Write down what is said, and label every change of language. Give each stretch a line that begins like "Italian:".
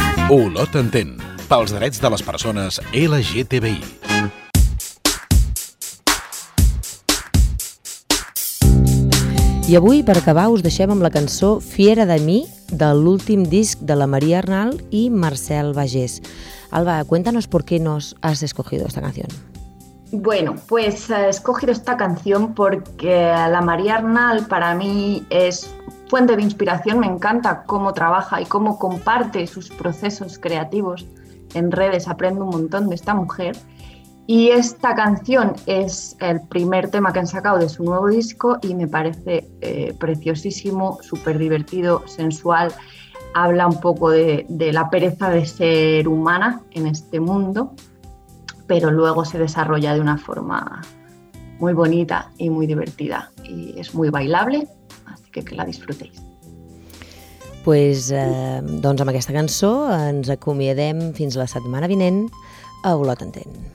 Catalan: Olot Entén, pels drets de les persones LGTBI. I avui, per acabar, us deixem amb la cançó Fiera de mi, de l'últim disc de la Maria Arnal i Marcel Bagés.
Spanish: Alba, cuéntanos por qué nos has escogido esta canción. Bueno, pues he escogido esta canción porque la María Arnal para mí es fuente de inspiración. Me encanta cómo trabaja y cómo comparte sus procesos creativos en redes. Aprendo un montón de esta mujer. Y esta canción es el primer tema que han sacado de su nuevo disco y me parece preciosísimo, súper divertido, sensual. Habla un poco de la pereza de ser humana en este mundo, pero luego se desarrolla de una forma muy bonita y muy divertida. Y es muy bailable, así que la disfrutéis. Pues,
Catalan: doncs amb aquesta cançó ens acomiadem fins la setmana vinent a Olot Entén.